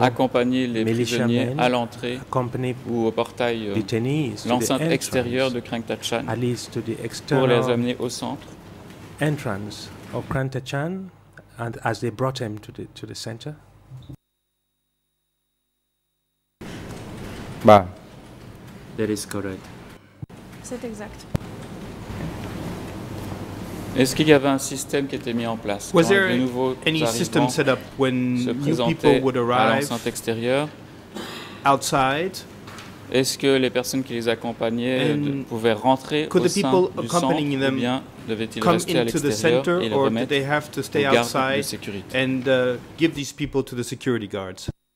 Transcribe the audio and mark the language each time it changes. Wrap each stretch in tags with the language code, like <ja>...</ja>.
<fr>accompagner les prisonniers à l'entrée ou au portail, l'enceinte extérieure de Krang Thach Chan,</fr> <en>at least to the external</en> <fr>pour les amener au centre.</fr> <en>Entrance of Krang Thach Chan, and as they brought him to the center. Bah. That is correct.</en> <fr>C'est exact. Est-ce qu'il y avait un système qui était mis en place quand les nouveaux arrivants se présentaient à l'enceinte extérieure?</fr> <en>Outside.</en> <fr>Est-ce que les personnes qui les accompagnaient pouvaient rentrer au sein du centre ou bien devaient-ils rester à l'extérieur et les remettre aux gardes de sécurité?</fr> <en>Or did they have to stay and give these people to the security guards?</en>